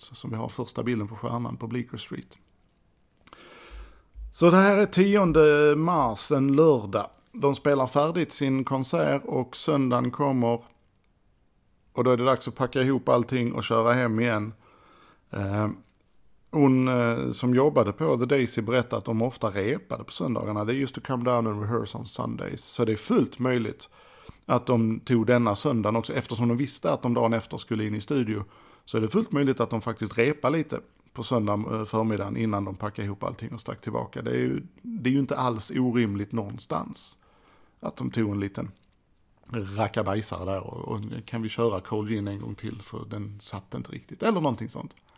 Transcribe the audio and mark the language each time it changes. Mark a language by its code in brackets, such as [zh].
[sv] Så som vi har första bilden på stjärnan på Bleecker Street. Så det här är 10 mars, en lördag. De spelar färdigt sin konsert och söndagen kommer. Och då är det dags att packa ihop allting och köra hem igen. Hon som jobbade på The Daisy berättade att de ofta repade på söndagarna. [en] They used to come down and rehearse on Sundays. [sv] Så det är fullt möjligt att de tog denna söndagen också. Eftersom de visste att de dagen efter skulle in i studio. Så är det fullt möjligt att de faktiskt repade lite på söndag förmiddagen innan de packade ihop allting och stack tillbaka. Det är ju inte alls orimligt någonstans att de tog en liten rackabajsare där och kan vi köra Cold Gin en gång till för den satt inte riktigt eller någonting sånt.